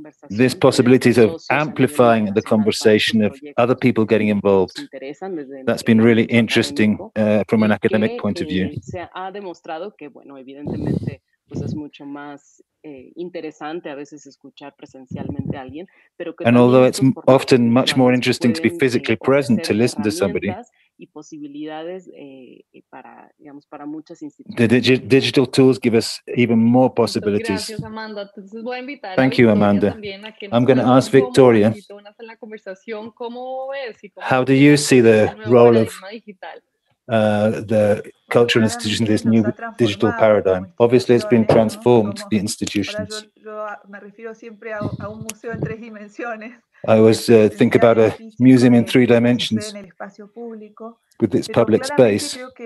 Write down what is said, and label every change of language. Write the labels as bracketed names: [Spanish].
[English] This possibility of amplifying the conversation of other people getting involved, that's been really interesting from an academic point of view. [Spanish] Se ha demostrado que, bueno, evidentemente, pues es mucho más interesante a veces escuchar presencialmente a alguien, pero que [English] and although it's often much more interesting to be physically present to listen to somebody, [Spanish] y posibilidades para, digamos, para muchas instituciones. [English] The digital tools give us even more possibilities. [Spanish] Gracias, Amanda. Entonces, voy a invitar [English] thank a you, Amanda. A I'm going to ask Victoria, [Spanish] ¿cómo ves? [English] How do you see the role of the cultural institution, this new digital paradigm? Obviously, it's been transformed, the institutions. [Spanish] Yo me refiero siempre a un museo en tres dimensiones. [English] I always think about a museum in three dimensions with its public space.